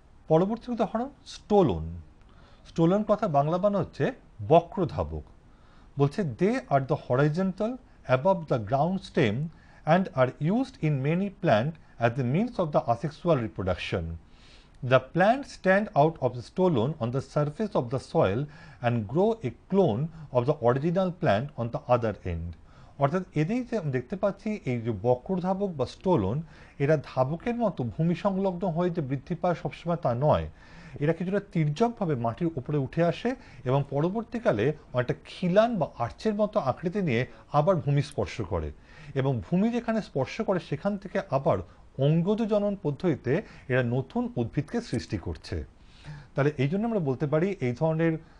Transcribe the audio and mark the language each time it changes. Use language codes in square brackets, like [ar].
[bn] পরবর্তী উদাহরণ stolon, stolon কথা বাংলা মানে হচ্ছে বক্র ধাবক। [en] বলছে they are the horizontal above the ground stem and are used in many plant as the means of the asexual reproduction. The plants stand out of the stolon on the surface of the soil and grow a clone of the original plant on the other end. [bn] অর্থাৎ এদেরই যে দেখতে পাচ্ছি এই যে বক্রধাবক বা stolon, এরা ধাবকের মতো ভূমি সংলগ্ন হয়ে যে বৃদ্ধি পায় সবসময় তা নয়, এরা কিছুটা তির্যকভাবে মাটির উপরে উঠে আসে এবং পরবর্তীকালে অনেকটা খিলান বা আর্চের মতো আকৃতি নিয়ে আবার ভূমি স্পর্শ করে, এবং ভূমি যেখানে স্পর্শ করে সেখান থেকে আবার অঙ্গজ জনন পদ্ধতিতে এরা নতুন উদ্ভিদকে সৃষ্টি করছে। তাহলে এই জন্য আমরা বলতে পারি এই ধরনের